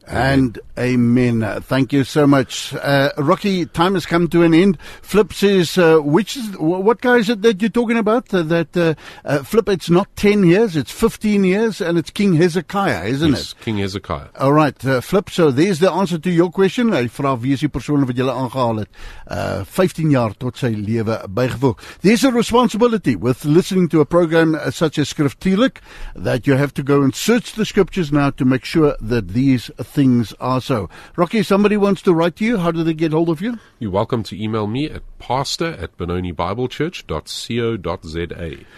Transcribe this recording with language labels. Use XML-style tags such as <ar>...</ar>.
<en>Amen. And amen. Thank you so much. Rocky, time has come to an end. Flip says, what guy is it that you're talking about? Flip, it's not 10 years, it's 15 years, and it's King Hezekiah, isn't it? Yes, King Hezekiah. All right, Flip, so there's the answer to your question.</en> <af>Hy vra wie is die persoon wat julle aangehaal het. 15 jaar tot sy lewe bygevoeg.</af> <en>There's a responsibility with listening to a program such as Skriftelik that you have to go and search the scriptures now to make sure that these things are so. Rocky, somebody wants to write to you. How do they get hold of you? You're welcome to email me at pastor@benonibiblechurch.co.za.</en>